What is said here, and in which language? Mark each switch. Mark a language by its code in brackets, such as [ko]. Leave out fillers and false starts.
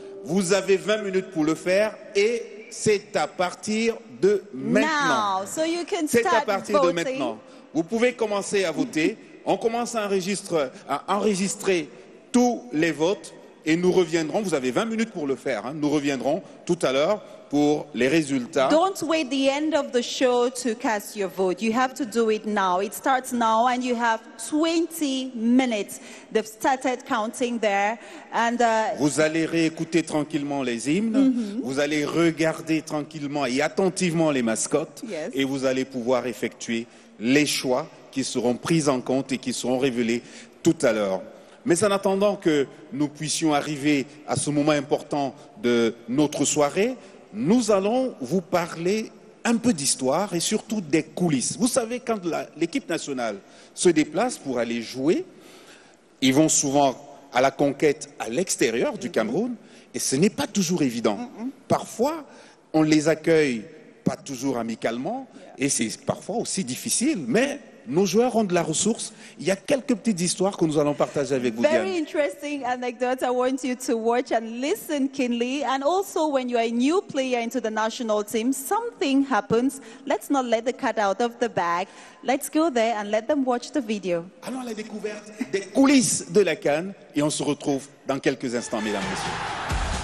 [fr] Vous avez 20 minutes pour le faire et c'est à partir de maintenant. [en] Now, so you can start [fr] c'est à partir [en] voting. [fr] De maintenant. Vous pouvez commencer à voter. On commence à enregistrer tous les votes et nous reviendrons. Vous avez 20 minutes pour le faire. Hein. Nous reviendrons tout à l'heure pour les résultats. [en] Don't wait the end of the show to cast your vote. You have to do it now. It starts now and you have 20 minutes. They've started counting there. And, [fr] vous allez réécouter tranquillement les hymnes. Mm-hmm. Vous allez regarder tranquillement et attentivement les mascottes. [en] Yes. [fr] Et vous allez pouvoir effectuer les choix qui seront pris en compte et qui seront révélés tout à l'heure. Mais en attendant que nous puissions arriver à ce moment important de notre soirée, nous allons vous parler un peu d'histoire et surtout des coulisses. Vous savez, quand l'équipe nationale se déplace pour aller jouer, ils vont souvent à la conquête à l'extérieur du Cameroun, et ce n'est pas toujours évident. Parfois, on les accueille pas toujours amicalement, et c'est parfois aussi difficile, mais... nos joueurs ont de la ressource. Il y a quelques petites histoires que nous allons partager avec vous. [en] Very interesting anecdote. I want you to watch and listen keenly. And also, when you are a new player into the national team, something happens. Let's not let the cat out of the bag. Let's go there and let them watch the video. [fr] Allons à la découverte des coulisses de la CAN et on se retrouve dans quelques instants, mesdames, messieurs.